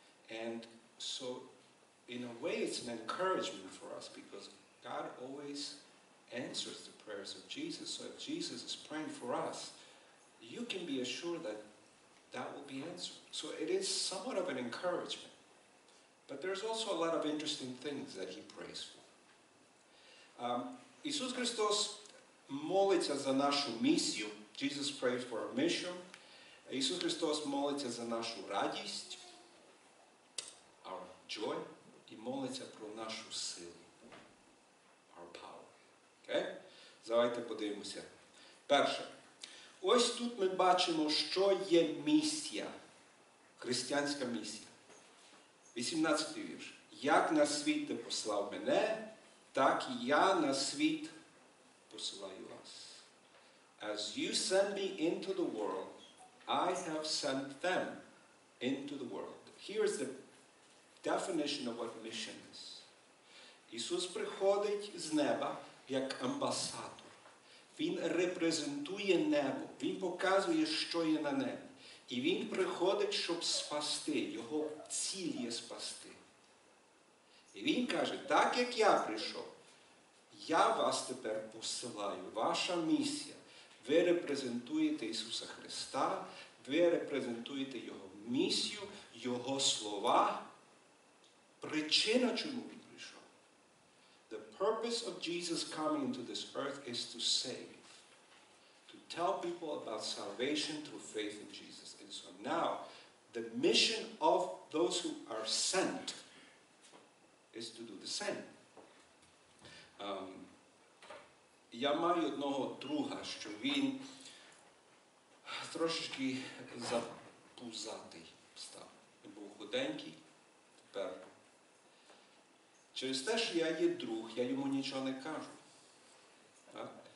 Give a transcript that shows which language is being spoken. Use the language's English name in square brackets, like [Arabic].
[English] And so, in a way, it's an encouragement for us because God always answers the prayers of Jesus. So if Jesus is praying for us, you can be assured that will be answered. So it is somewhat of an encouragement. But there's also a lot of interesting things that he prays for. [Ukrainian] Ісус Христос молиться за нашу місію. [English] Jesus prayed for our mission. [Ukrainian] Ісус Христос молиться за нашу радість, [English] our joy, [Ukrainian] і молиться про нашу силу, [English] our power. Okay? [Ukrainian] Давайте подивимося. Перше. Ось тут ми бачимо, що є місія, християнська місія. 18 вірш. Як на світ ти послав мене, так і я на світ посилаю вас. [English] As you send me into the world, I have sent them into the world. Here is the definition of what mission is. [Ukrainian] Ісус приходить з неба як амбасадор. Він репрезентує небо. Він показує, що є на небі. І він приходить, щоб спасти. Його ціль є спасти. І він каже, так як я прийшов, я вас тепер посилаю. Ваша місія. Ви репрезентуєте Ісуса Христа. Ви репрезентуєте Його місію. його слова, причина, чому він прийшов. [English] The purpose of Jesus coming into this earth is to save, to tell people about salvation through faith in Jesus. And so now, the mission of those who are sent is to do the same. [Ukrainian] Я маю одного друга, що він трошечки запузатий став. Він був худенький, тепер. Через те, що я є друг, я йому нічого не кажу. Так?